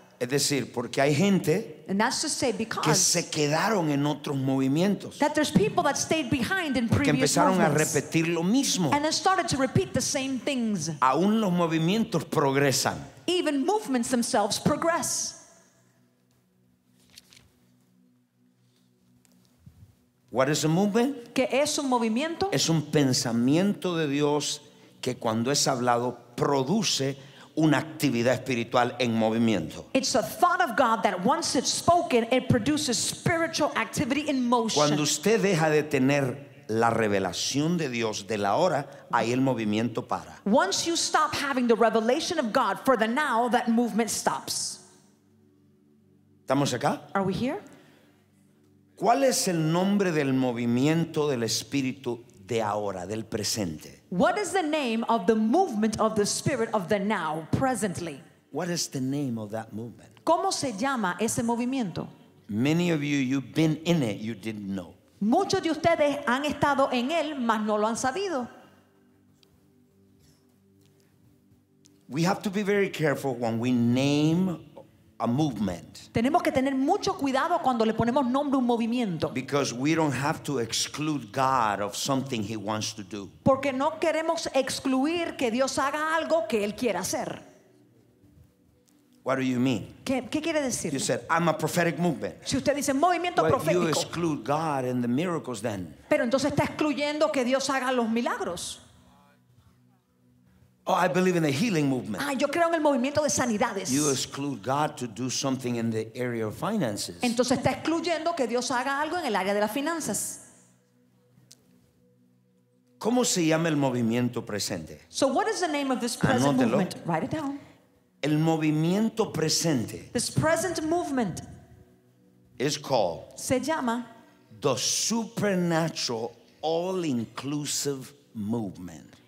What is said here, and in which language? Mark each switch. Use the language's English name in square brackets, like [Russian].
[Spanish] Es decir, porque hay gente que se quedaron en otros movimientos. [English] That there's people that stayed behind in previous [Spanish] que empezaron a repetir lo mismo. [English] And they started to repeat the same things. [Spanish] Aún los movimientos progresan. [English] Even movements themselves progress. What is a movement? [Spanish] ¿Qué es un movimiento? Es un pensamiento de Dios que cuando es hablado produce una actividad espiritual en movimiento. [English] It's a thought of God that once it's spoken, it produces spiritual activity in motion. [Spanish] Cuando usted deja de tener la revelación de Dios de la hora, ahí el movimiento para. [English] Once you stop having the revelation of God for the now, that movement stops. [Spanish] ¿Estamos acá? [English] Are we here? [Spanish] ¿Cuál es el nombre del movimiento del Espíritu de ahora, del presente? [English] What is the name of the movement of the Spirit of the now, presently? What is the name of that movement? [Spanish] ¿Cómo se llama ese movimiento? [English] Many of you, you've been in it, you didn't know. [Spanish] Muchos de ustedes han estado en él, mas no lo han sabido. [English] We have to be very careful when we name a movement. [Spanish] Tenemos que tener mucho cuidado cuando le ponemos nombre a un movimiento. [English] Because we don't have to exclude God of something he wants to do. [Spanish] Porque no queremos excluir que Dios haga algo que él quiera hacer. [English] What do you mean? [Spanish] ¿Qué quiere decir? [English] You said, I'm a prophetic movement. [Spanish] Si usted dice, movimiento profético. [English] You exclude God and the miracles then. [Spanish] Pero entonces está excluyendo que Dios haga los milagros. [English] Oh, I believe in the healing movement. [Spanish] Ah, yo creo en el movimiento de sanidades. [English] You exclude God to do something in the area of finances. [Spanish] Entonces está excluyendo que Dios haga algo en el área de las finanzas. ¿Cómo se llama el movimiento presente? [English] So what is the name of this present [Spanish] Anótelo. [English] Movement? Write it down. [Spanish] El movimiento presente. [English] This present movement is called. [Spanish] Se llama. [English] The supernatural all-inclusive movement.